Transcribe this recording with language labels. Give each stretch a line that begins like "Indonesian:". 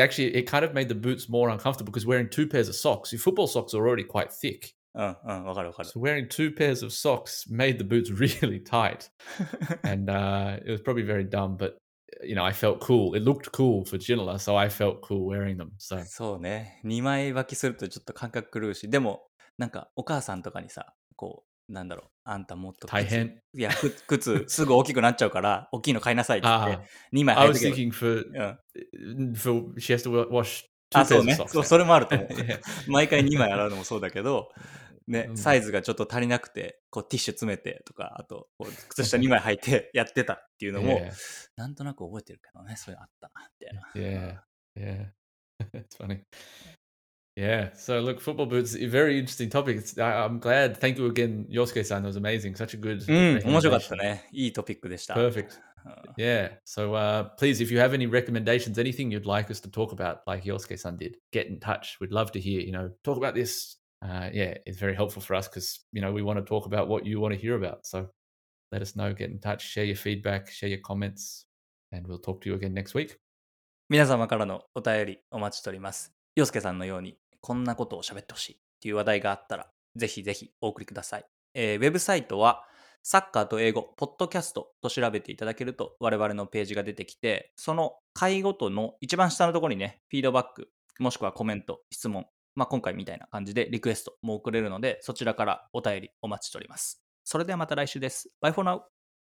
English: Actually, it kind of made the boots more uncomfortable because wearing two pairs of socks, your football socks are already quite thick. So wearing two pairs of socks made the boots really tight. And it was probably very dumb, but, you know, I felt cool. It looked cool for Ginola, so I felt cool wearing them. So.
Japanese: そうね。 2枚履きするとちょっと感覚狂うし、でも、なんかお母さんとかにさ、こう、なんだろう、あんたもっと大変。いや、靴すぐ大きくなっちゃうから、大きいの買いなさいって言って、2枚履いてくる。
English: I was thinking for she has to wash two pairs of socks.
Japanese: あ、そうね。そう、それもあると思う。毎回2枚洗うのもそうだけど、ね、サイズがちょっと足りなくて、こうティッシュ詰めてとか、あとこう靴下2枚履いてやってたっていうのも、
English: yeah.
Japanese: なんとなく覚えてるけどね、それあったなみたいな。
English: Yeah, yeah, it's funny. Yeah, so look, football boots, a very interesting topic. I'm glad. Thank you again, Yosuke-san. It was amazing. Such a good...
Japanese: いいトピックでした。
English: Perfect. Yeah, so please, if you have any recommendations, anything you'd like us to talk about, like Yosuke-san did, get in touch. We'd love to hear, you know, talk about this. Yeah, it's very helpful for us because, you know, we want to talk about what you want to hear about. So let us know, get in touch, share your feedback, share your comments, and we'll talk to you again next week.
Japanese: 皆様からのお便りお待ちしております。陽介さんのようにこんなことを喋ってほしいっていう話題があったらぜひぜひお送りください、ウェブサイトはサッカーと英語ポッドキャストと調べていただけると我々のページが出てきてその回ごとの一番下のところにねフィードバックもしくはコメント質問、まあ、今回みたいな感じでリクエストも送れるのでそちらからお便りお待ちしておりますそれではまた来週です
English: Bye for now